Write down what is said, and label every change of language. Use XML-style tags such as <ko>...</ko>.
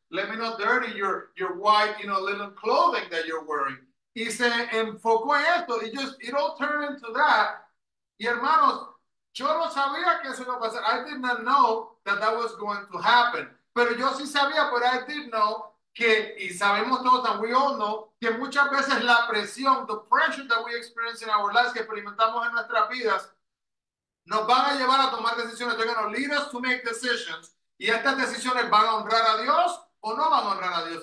<en>Let me not dirty your white, you know, linen clothing that you're wearing.</en> <es>Y se enfocó en esto.</es> <en>It all turned into that.</en> <es>Y hermanos, yo no sabía que eso iba a pasar.</es> <en>I did not know that was going to happen.</en> <es>Pero yo sí sabía,</es> <en>but I did know</en> <es>que, y sabemos todos,</es> <en>and we all know,</en> <es>que muchas veces la presión,</es> <en>the pressure that we experience in our lives,</en> <es>que experimentamos en nuestras vidas, nos van a llevar a tomar decisiones.</es> <en>They're going to lead us to make decisions.</en> <es>Y estas decisiones van a honrar a Dios o no van a honrar a Dios.</es>